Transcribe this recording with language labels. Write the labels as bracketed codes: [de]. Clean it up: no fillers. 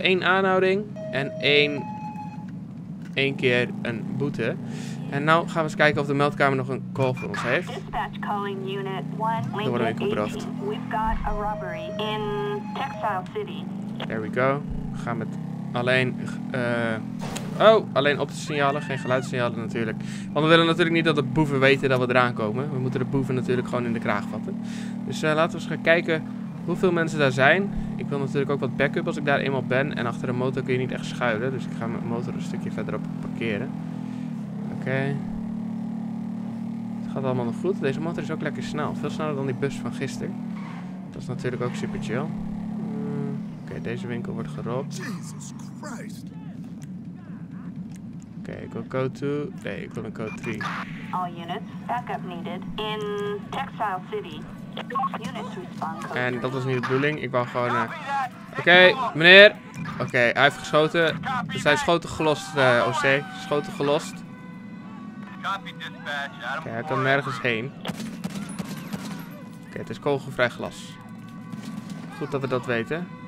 [nl] 1 aanhouding en 1 keer een boete. En nou gaan we eens kijken of de meldkamer nog een call voor ons heeft. [en] Dispatch calling unit 1, Lincoln 18. We've got a robbery in Textile City. There we go. [nl] We gaan met alleen... Oh, alleen optische signalen, geen geluidssignalen natuurlijk. Want we willen natuurlijk niet dat de boeven weten dat we eraan komen. We moeten de boeven natuurlijk gewoon in de kraag vatten. Dus laten we eens gaan kijken hoeveel mensen daar zijn. Ik wil natuurlijk ook wat backup als ik daar eenmaal ben. En achter een motor kun je niet echt schuilen. Dus ik ga mijn motor een stukje verderop parkeren. Oké. Het gaat allemaal nog goed. Deze motor is ook lekker snel. Veel sneller dan die bus van gisteren. Dat is natuurlijk ook super chill. Oké, deze winkel wordt geropt. [en] Jesus Christ! [nl] Oké, ik wil code 2. Nee, ik wil een code 3. [en] All units, backup needed in Textile City. Units respond. [nl] En dat was niet de bedoeling. Ik wou gewoon naar... Oké, meneer. Oké, hij heeft geschoten. Er zijn schoten gelost, OC. Schoten gelost. Oké, hij kan nergens heen. Oké, het is kogelvrij glas. Goed dat we dat weten.